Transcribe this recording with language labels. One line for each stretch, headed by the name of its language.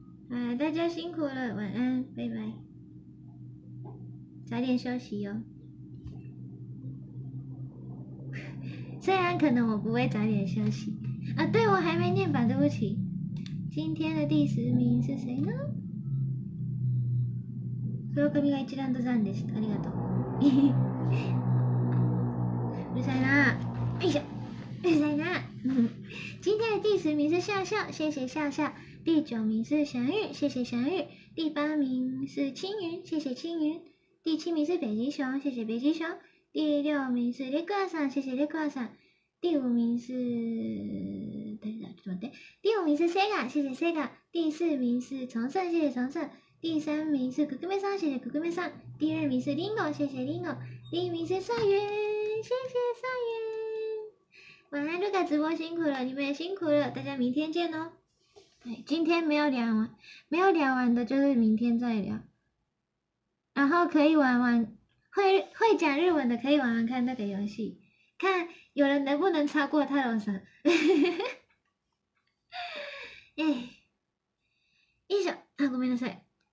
Chinese: 哎，大家辛苦了，晚安，拜拜，早点休息哟。虽然可能我不会早点休息啊，对，我还没念吧，对不起。今天的第十名是谁呢？
Japanese: 黒髪が一段と残でした。ありがとう。 うるさいな、よいしょ、うるさいな。
Chinese: 今天的第十名是笑笑、谢谢笑笑。第九名是祥玉、谢谢祥玉。第八名是青云、谢谢青云。第七名是北极熊、谢谢北极熊。第六名是レクアさん、谢谢レクアさん。第五名是等一下，怎么的？第五名是 Sega、谢谢 Sega。第四名是重盛、谢谢重盛。第三名是可可妹桑，谢谢可可妹桑。第二名是 Lingo，谢谢 Lingo。第一名是少云，谢谢少云。晚安，Luca 直播辛苦了，你们也辛苦了，大家明天见哦。对，今天没有聊完，没有聊完的，就是明天再聊。然后可以玩玩，会讲日文的，可以玩玩看那个游戏，看有人能不能超过泰隆桑。哎 一首啊，
Japanese: ごめんなさい。